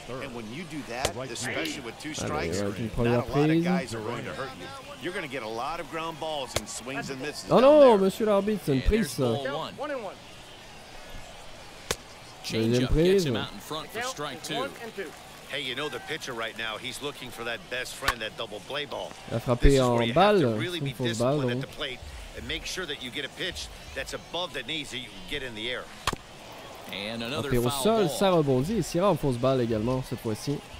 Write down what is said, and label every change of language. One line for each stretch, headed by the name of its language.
English: And when you do that, especially with two strikes, not a lot of guys are going to hurt you. You're going to get a lot of ground balls and swings and misses.
French: Oh no, monsieur l'arbitre, une prise. Ça.
English: Change-up gets him out in front for strike two. Hey, you know the pitcher right now, he's looking for that best friend, that double play ball.
French: A frappé en balle, une fausse balle, donc.
English: And make sure that you get a pitch that's above the knees that you can get in the air. And another foul ball.
French: Au sol, ça rebondit. Sierra en fausse balle également cette fois-ci.